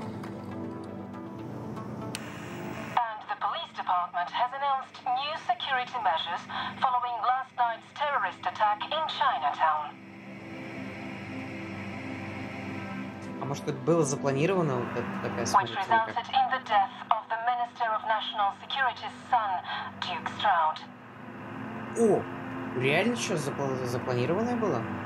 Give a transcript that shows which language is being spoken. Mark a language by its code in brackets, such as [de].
[en] And the police department has announced new security measures following last night's terrorist attack in Chinatown. [ru] А может, это было запланировано вот это, такая смерть? [en] Which resulted in the death of the Minister of National Security's son, Duke Stroud. [ru] О, реально что запланированное было?